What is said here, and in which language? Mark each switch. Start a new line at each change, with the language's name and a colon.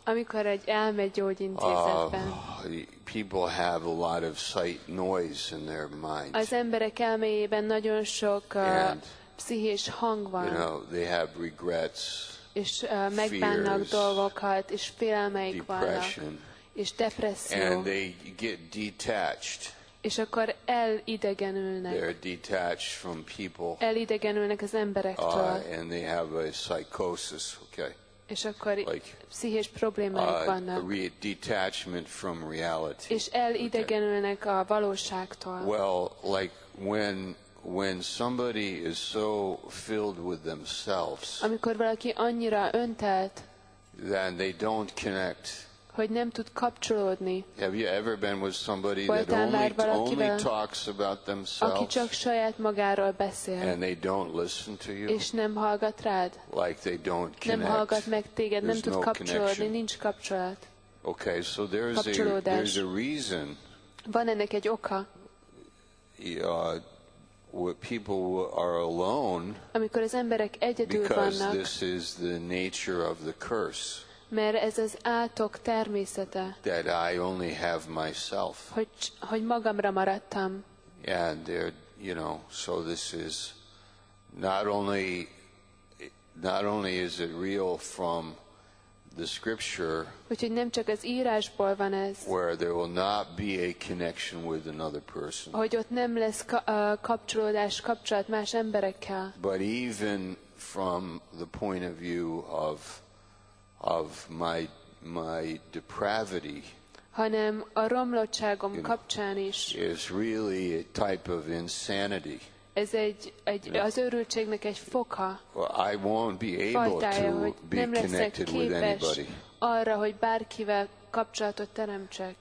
Hungarian: amikor egy elmegyógyintézetben,
English: people have a lot of sight noise in their minds.
Hungarian: Az emberek elméjében nagyon sok pszichés hang van.
English: You know, they have regrets.
Hungarian: És megbánnak dolgokat, és félelmeik vannak, és depresszió.
English: And they get detached.
Hungarian: És akkor elidegenülnek.
English: They're detached from people.
Hungarian: Elidegenülnek az emberektől.
English: And they have a psychosis, okay.
Hungarian: És akkor pszichés problémáik vannak.
English: Detachment from reality.
Hungarian: És elidegenülnek a valóságtól.
English: Well, like when somebody is so filled with themselves.
Hungarian: Amikor valaki annyira öntelt,
English: then they don't connect.
Hungarian: Hogy nem tud kapcsolódni.
English: Have you ever been with somebody that only talks about themselves?
Hungarian: Aki csak saját magáról beszél.
English: And they don't listen to you.
Hungarian: És nem hallgat rád.
English: Like they don't connect.
Hungarian: Nem hallgat meg téged.
English: There's
Hungarian: nem tud
English: no
Hungarian: kapcsolódni.
English: Connection.
Hungarian: Nincs kapcsolat.
English: Okay, so there's a reason.
Hungarian: Van ennek egy oka.
English: Where people are alone.
Hungarian: Amikor az emberek egyedül vannak.
English: Because this is the nature of the curse.
Hungarian: Mert ez az átok természete.
English: That I only have myself.
Hungarian: Hogy magamra maradtam.
English: And there, you know, so this is not only is it real from the scripture.
Hungarian: Úgyhogy nem csak az írásból van ez.
English: Where there will not be a connection with another person.
Hungarian: Hogy ott nem lesz kapcsolat más emberekkel.
English: But even from the point of view of my depravity,
Hungarian: hanem a romlottságom kapcsán is,
English: is really a type of insanity.
Hungarian: Ez egy az őrültségnek egy foka.
English: Well, I won't be able
Hungarian: fajtája,
English: to be connected with anybody.
Hungarian: Arra, hogy bárkivel kapcsolatot teremtsek.